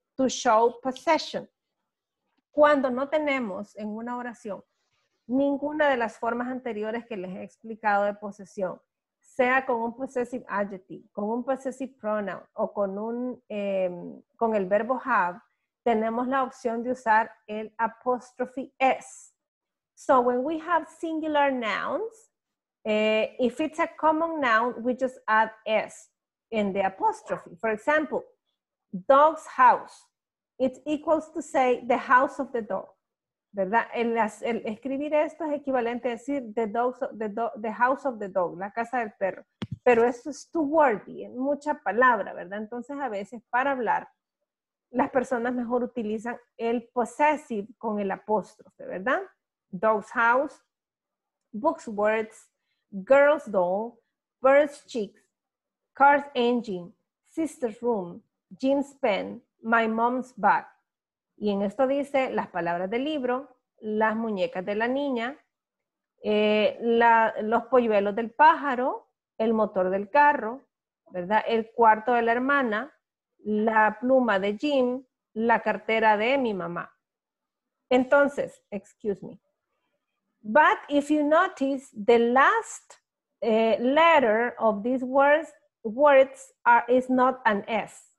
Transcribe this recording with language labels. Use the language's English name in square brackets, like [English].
[English] To show possession. [Spanish] Cuando no tenemos en una oración ninguna de las formas anteriores que les he explicado de posesión, sea con un possessive adjective, con un possessive pronoun o con un con el verbo have, tenemos la opción de usar el apóstrofe s. [English] So when we have singular nouns, if it's a common noun, we just add s in the apostrophe. For example, dog's house. It's equals to say the house of the dog. [Spanish] ¿Verdad? El escribir esto es equivalente a decir [English] the house of the dog, [Spanish] la casa del perro. Pero eso es [English] too wordy, [Spanish] es mucha palabra, ¿verdad? Entonces a veces para hablar, las personas mejor utilizan el possessive con el apóstrofe, ¿verdad? [English] Dog's house, book's words, girl's doll, bird's cheeks, car's engine, sister's room, Jim's pen, my mom's bag. [Spanish] Y en esto dice las palabras del libro, las muñecas de la niña, los polluelos del pájaro, el motor del carro, ¿verdad? El cuarto de la hermana, la pluma de Jim, la cartera de mi mamá. Entonces, [English] excuse me. But if you notice, the last letter of these words is not an S.